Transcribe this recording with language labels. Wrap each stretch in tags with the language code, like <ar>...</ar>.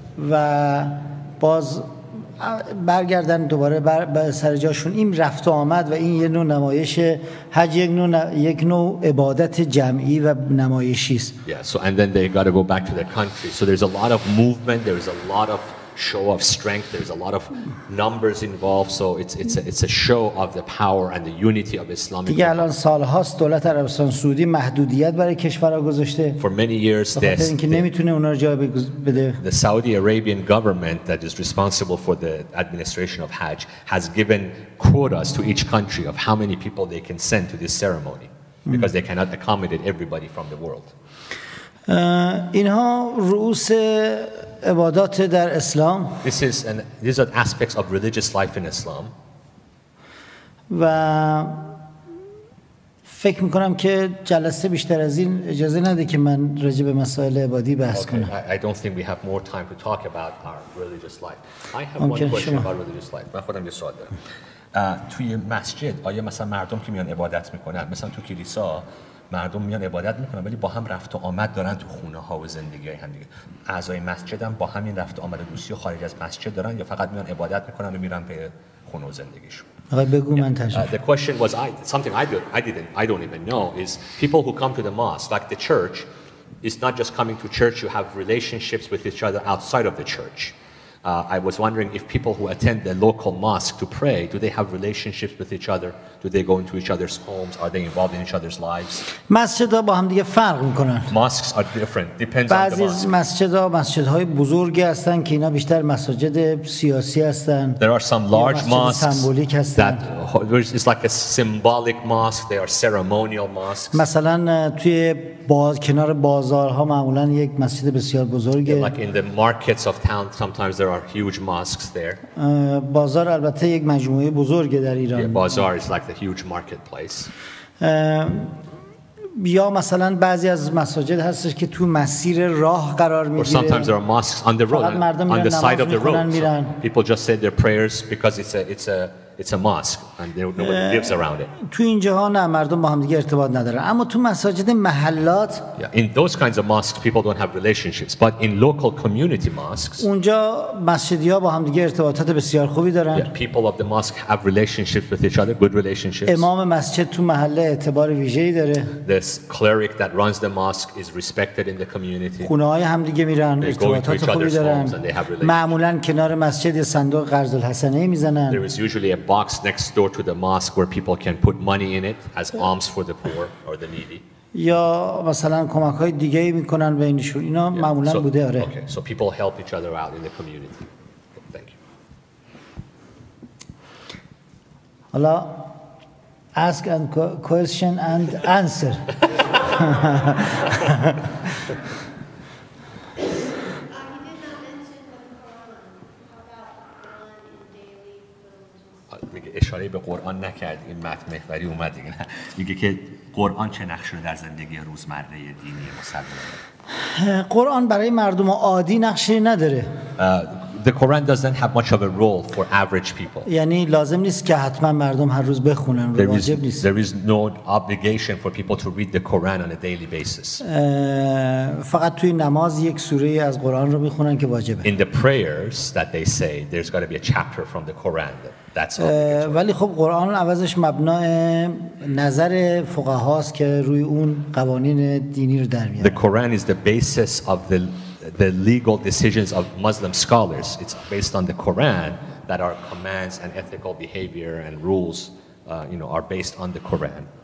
<fa>و باز برگردن دوباره به سر جاشون این رفت و آمد و این یه نوع نمایش حج یک نوع عبادت جمعی و نمایشی است.</fa> <en>Yeah, so and then they got to go back to their country. So there's a lot of movement, there is a lot of show of strength, there's a lot of numbers involved, so it's a show of the power and the unity of Islam.</en> <fa>دیگه الان سالهاست دولت عربستان سعودی محدودیت برای کشورها گذاشته.</fa> <en>For many years this</en> <fa>اینکه نمیتونه اونا رو جای بده.</fa> <en>The Saudi Arabian government that is responsible for the administration of Hajj has given quotas to each country of how many people they can send to this ceremony because they cannot accommodate everybody from the world.</en> <fa>اینها رؤوس عبادات در اسلام.</fa> <en>These are aspects of religious life in Islam.</en> <fa>و فکر میکنم که جلسه بیشتر از این اجازه نده که من راجع به مسائل عبادی بحث کنم.</fa> <en>I don't think we have more time to talk about our religious life. I have one question about religious life.</en> <fa>من خودم یه سوال دارم. توی مسجد آیا مثلا مردم که میان عبادت میکنن مثلا تو کلیسا مردم میان عبادت میکنن ولی با هم رفت و آمد دارن تو خونه ها و زندگی های همدیگه اعضای مسجد هم با همین رفت و آمد دوستی و خارج از مسجد دارن یا فقط میان عبادت میکنن و میرن به خونه و زندگیشون آقای بگو من تجربه</fa> <en>The question was I don't even know is people who come to the mosque like the church is not just coming to church you have relationships with each other outside of the church I was wondering if people who attend the local mosque to pray, do they have relationships with each other? Do they go into each other's homes? Are they involved in each other's lives?</en> <fa>مسجدها با هم دیگه فرق میکنن.</fa> <en>Mosques are different. Depends on the mosque.</en> <fa>بعضی مسجدها مسجدهای بزرگی هستن که اینا بیشتر مساجد سیاسی هستن.</fa> <en>There are some large mosques that it's like a symbolic mosque. They are ceremonial mosques.</en> <fa>مثلا توی کنار بازارها معمولا یک مسجد بسیار بزرگه.</fa> <en>Like in the markets of town, sometimes there are are huge mosques there.</en> <fa>بازار البته یک مجموعه بزرگه در ایران.</fa> <en>Yeah, bazaar is like the huge marketplace.</en> <fa>یا مثلا بعضی از مساجد هستش که تو مسیر راه قرار میگیره.</fa> <en>Or sometimes there are mosques on the road. On the side of the road. So people just say their prayers because it's a mosque and there nobody lives around it.</en> <fa>تو این جاها نه مردم با هم دیگه ارتباط ندارن. اما تو مساجد محلات.</fa> <en>Yeah, in those kinds of mosques people don't have relationships, but in local community mosques.</en> <fa>اونجا مسجدیا با هم دیگه ارتباطات بسیار خوبی دارن.</fa> <en>Yeah, people of the mosque have relationships with each other, good relationships.</en> <fa>امام مسجد تو محله اعتبار ویژه‌ای داره.</fa> <en>This cleric that runs the mosque is respected in the community.</en> <fa>خونه‌های هم دیگه میرن ارتباطات خوبی دارن. معمولاً کنار مسجد صندوق قرض الحسنه میزنن.</fa> <en>There is usually a box next door to the mosque where people can put money in it as alms for the poor or the needy.</en> <fa>یا مثلا کمک های دیگه ای میکنن بینشون. اینا معمولا بوده. آره.</fa> <en>Okay. So people help each other out in the community. Thank you.</en> <fa>حالا</fa> <en>ask and question and answer.</en> <fa>اشاره به قرآن نکرد. این متن محوری اومد دیگه. میگه که قرآن چه نقشی رو در زندگی روزمره دینی مسلمان داره؟ قرآن برای مردم عادی نقشی نداره.</fa> <en>The Quran doesn't have much of a role for average people.</en> <fa>یعنی لازم نیست که حتما مردم هر روز بخونن. واجب نیست.</fa> <en>There is no obligation for people to read the Quran on a daily basis.</en> <fa>فقط توی نماز یک سوره از قرآن رو میخونن که واجبه.</fa> <en>In the prayers that they say there's got to be a chapter from the Quran. That's</en> <fa>ولی خب قرآن عوضش مبنای نظر فقهاست که روی اون قوانین دینی رو در میاره.</fa> <en>The Quran is the basis of the legal decisions of Muslim scholars. It's based on the Quran that our commands and ethical behavior and rules are based on the Quran.</en>